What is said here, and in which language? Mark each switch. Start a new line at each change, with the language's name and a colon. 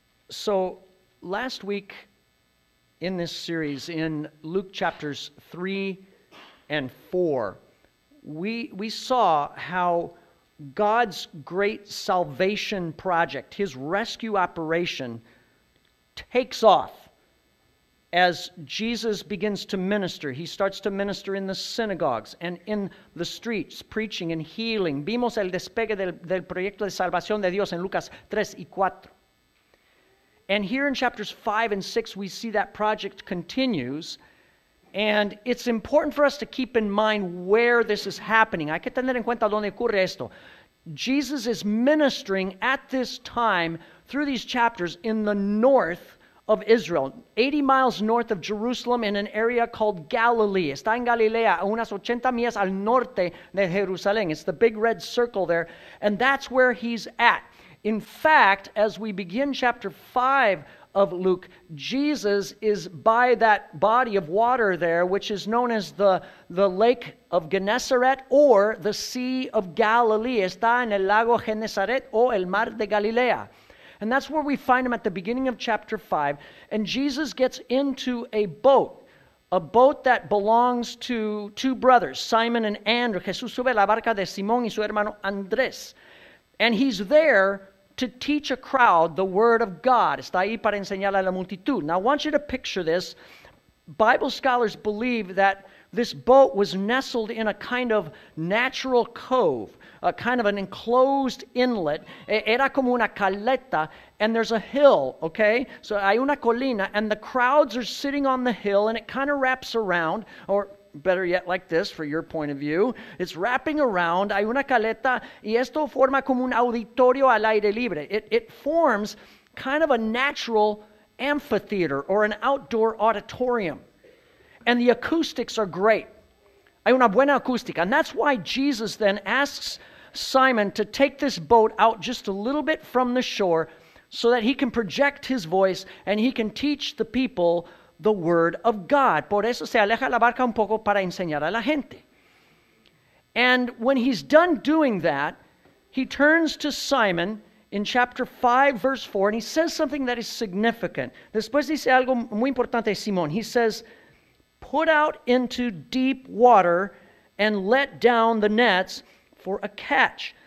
English: So last week in this series, in Luke chapters 3 and 4, we saw how God's great salvation project, his rescue operation, takes off as Jesus begins to minister. He starts to minister in the synagogues and in the streets, preaching and healing.
Spanish: Vimos el despegue del proyecto de salvación de Dios en Lucas 3 y 4.
English: And here in chapters 5 and 6, we see that project continues. And it's important for us to keep in mind where this is happening.
Spanish: Hay que tener en cuenta dónde ocurre esto.
English: Jesus is ministering at this time through these chapters in the north of Israel, 80 miles north of Jerusalem in an area called Galilee.
Spanish: Está en Galilea, a unas 80 millas al norte de Jerusalén.
English: It's the big red circle there. And that's where he's at. In fact, as we begin chapter 5 of Luke, Jesus is by that body of water there, which is known as the Lake of Gennesaret or the Sea of Galilee.
Spanish: Está en el lago Gennesaret o el mar de Galilea.
English: And that's where we find him at the beginning of chapter 5. And Jesus gets into a boat that belongs to two brothers, Simon and Andrew.
Spanish: Jesús sube la barca de Simón y su hermano Andrés.
English: And he's there to teach a crowd the word of God.
Spanish: Está ahí para enseñar a la multitud.
English: Now I want you to picture this. Bible scholars believe that this boat was nestled in a kind of natural cove. kind of an enclosed inlet.
Spanish: Era como una caleta,
English: and there's a hill, okay? So
Spanish: hay una colina,
English: and the crowds are sitting on the hill, and it kind of wraps around, or better yet, like this, for your point of view. It's wrapping around.
Spanish: Hay una caleta, y esto forma como un auditorio al aire libre.
English: It forms kind of a natural amphitheater or an outdoor auditorium. And the acoustics are great.
Spanish: Hay una buena acústica.
English: And that's why Jesus then asks Simon to take this boat out just a little bit from the shore so that he can project his voice and he can teach the people the word of God.
Spanish: Por eso se aleja la barca un poco para enseñar a la gente.
English: And when he's done doing that, he turns to Simon in chapter 5, verse 4, and he says something that is significant.
Spanish: Después dice algo muy importante, Simón.
English: He says, put out into deep water and let down the nets for a catch.